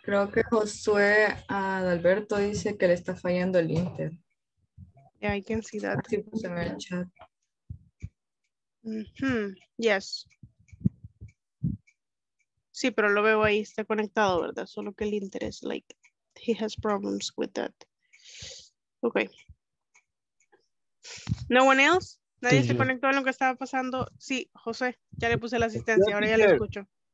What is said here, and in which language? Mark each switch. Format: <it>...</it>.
<es>Creo que Josué Adalberto dice que le está fallando el Inter.</es> <en>Yeah, I can see that.</en> <es>Sí, pues en el chat.</es> <en>Mm-hmm. Yes.</en> <es>Sí, pero lo veo ahí, está conectado, ¿verdad? Solo que el interés,</es> <en>like, he has problems with that. Okay. No one else?</en> <es>Nadie sí, se conectó en lo que estaba pasando. Sí, José, ya le puse la asistencia, ahora ya lo escucho.</es>